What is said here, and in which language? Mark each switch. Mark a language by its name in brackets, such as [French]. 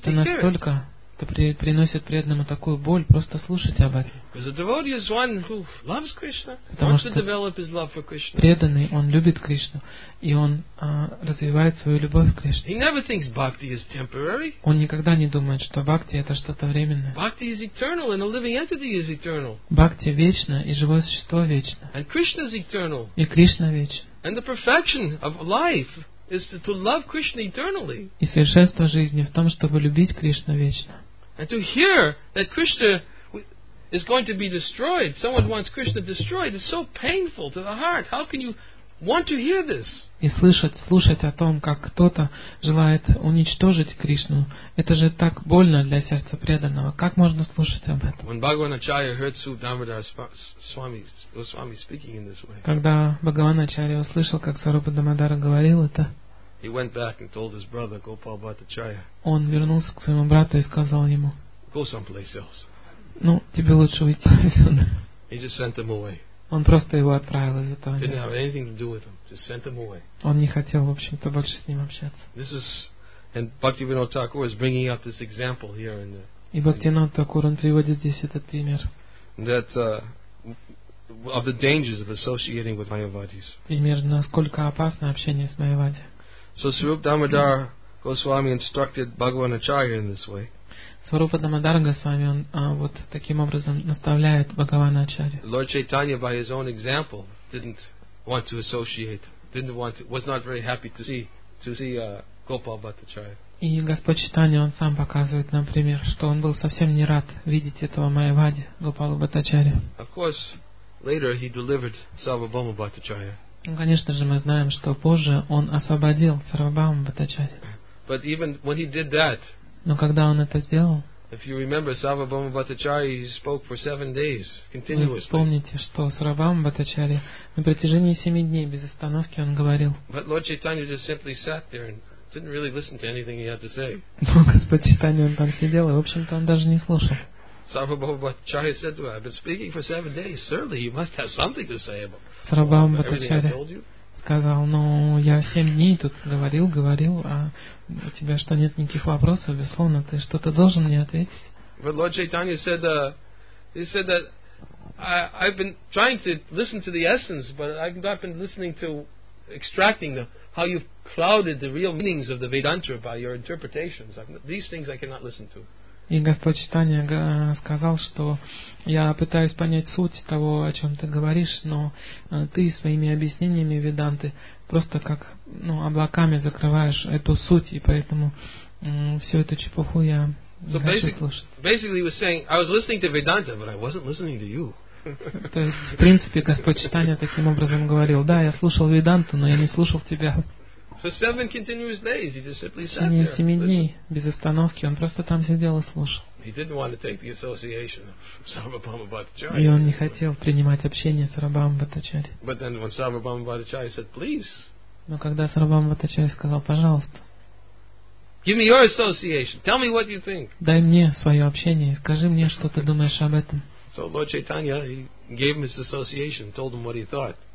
[Russian] это настолько это приносит преданному такую боль, просто слушать об этом. [English] Because a devotee is one who loves Krishna, wants to develop his love for Krishna. [Russian] Преданный, он любит Кришну, и он развивает свою любовь к Кришне. [English] He never thinks bhakti is temporary. [Russian] Он никогда не думает, что бхакти это что-то временное. [English] Bhakti is eternal, and a living entity is eternal. [Russian] Бхакти вечно, и живое существо вечно. [English] And Krishna is eternal. [Russian] И Кришна вечна. [English] And the perfection of life is to love Krishna eternally. [Russian] И совершенство жизни в том, чтобы любить Кришну вечно. [English] And to hear that Krishna is going to be destroyed, someone wants Krishna destroyed, it's so painful to the heart. How can you want to hear this? [Russian] И слушать о том, как кто-то желает уничтожить Кришну, это же так больно для сердца преданного. Как можно слушать об этом? [English] When Bhagavan Acharya heard Swarupa Damodar Goswami speaking in this way, [Russian] когда Бхагаван Ачарья услышал, как Сварупа Дамодара говорил это, [English] he went back and told his brother Gopal Bhattacharya, [Russian] он вернулся к своему брату и сказал ему, [English] go someplace else. [Russian] Ну, тебе лучше уйти отсюда. [English] He just sent him away. [Russian] Он просто его отправил из этого. [English] Didn't have anything to do with him. Just sent him away. [Russian] Он не хотел, в общем-то, больше с ним общаться. [English] This is, and Bhaktivinoda Thakur is bringing up this example here in the. [Russian] И Бхактивинода Такур он приводит здесь этот пример. [English] That of the dangers of associating with Mayavadis. [Russian] Пример, насколько опасно общение с Майявади. [English] So Swarupa Damodar Goswami instructed Bhagavan Acharya in this way. [Russian] Сварупа Дамодара Госвами, он вот таким образом наставляет Бхагавана Ачарья. [English] Lord Chaitanya, by his own example, didn't want to associate, was not very happy to see Gopal Bhattacharya. [Russian] И Господь Чайтанья, он сам показывает нам пример, что он был совсем не рад видеть этого Майявади, Гопалу Бхаттачарью. [English] Of course, later he delivered Sarvabhauma Bhattacharya. [Russian] Ну, конечно же, мы знаем, что позже он освободил Сарвабхаума Бхаттачарья. [English] But even when he did that, [Russian] но когда он это сделал, [English] if you remember, Sarvabhauma Bhattacharya, he spoke for 7 days continuously. [Russian] Вы помните, что Сарвабхаума Бхаттачарья на протяжении 7 дней без остановки он говорил. [English] But Lord Chaitanya just simply sat there and didn't really listen to anything he had to say. [Russian] Но Господь Чайтанья, он там сидел, и в общем-то он даже не слушал. [English] Sarvabhauma Bhattacharya said to him, I've been speaking for 7 days. Certainly, you must have something to say about Sarvabhauma Bhattacharya. [Russian] сказал, ну, я 7 дней тут говорил, а у тебя что, нет никаких вопросов, безусловно, ты что-то должен мне ответить. [English] But Lord Chaitanya said, he said that I've been trying to listen to the essence, but I've not been listening to extracting the, how you've clouded the real meanings of the Vedantra by your interpretations. These things I cannot listen to. [Russian] И Господь Читания сказал, что я пытаюсь понять суть того, о чем ты говоришь, но ты своими объяснениями, веданты, просто как ну, облаками закрываешь эту суть, и поэтому всю эту чепуху я не хочу слушать. [English] Basically, he was saying, I was listening to Vedanta, but I wasn't listening to you. [Russian] То есть, в принципе, Господь Читания таким образом говорил, да, я слушал Веданту, но я не слушал тебя. [English] For 7 continuous days, he just simply sat there. [Russian] 7 дней без остановки, он просто там сидел и слушал. [English] He didn't want to take the association of Sarvabhauma Bhattacharya. [Russian] И он не хотел принимать общение с Сарвабхаума Бхаттачарья. [English] But then when Sarvabhauma Bhattacharya said, please. [Russian] Но когда Сарвабхаума Бхаттачарья сказал, пожалуйста. [English] Give me your association. Tell me what you think. [Russian] Дай мне свое общение, скажи мне, что ты думаешь об этом. [English] So Lord Chaitanya, he gave him his association, told him what he thought.